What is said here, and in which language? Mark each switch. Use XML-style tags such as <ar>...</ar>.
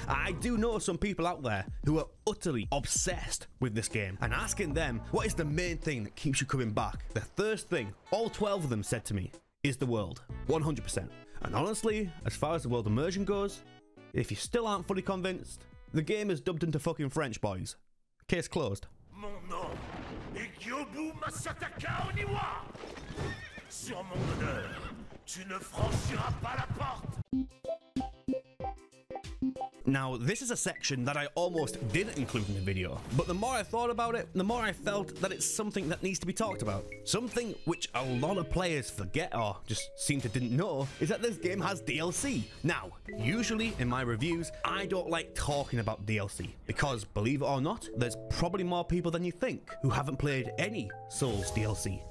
<en>I do know some people out there who are utterly obsessed with this game, and asking them what is the main thing that keeps you coming back, the first thing all 12 of them said to me is the world, 100%. And honestly, as far as the world immersion goes, if you still aren't fully convinced, the game is dubbed into fucking French, boys. Case closed.</en> <fr>Mon nom est Gyobu Masataka Oniwa! Sur mon honneur, tu ne franchiras pas la porte!</fr> <en>Now, this is a section that I almost didn't include in the video, but the more I thought about it, the more I felt that it's something that needs to be talked about. Something which a lot of players forget or just seem to didn't know is that this game has DLC. Now, usually in my reviews, I don't like talking about DLC because, believe it or not, there's probably more people than you think who haven't played any Souls DLC.</en>